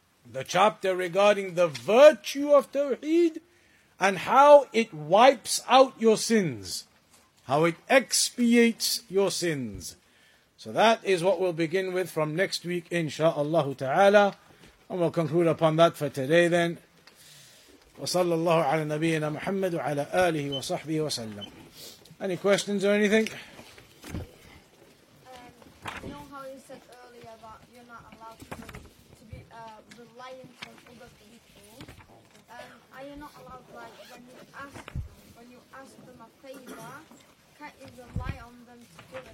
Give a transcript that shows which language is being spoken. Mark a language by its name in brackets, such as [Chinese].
[English] The chapter regarding the virtue of Tawheed and how it wipes out your sins, how it expiates your sins. So that is what we'll begin with from next week, inshaAllah ta'ala. And we'll conclude upon that for today then. [Arabic] وصلى الله على نبينا محمد وعلى آله وصحبه وسلم. [English] Any questions or anything? You know how you said earlier that you're not allowed to be reliant on other people? Are you not allowed, like, when you ask, when you ask them a favor. Can't you rely on them to do it?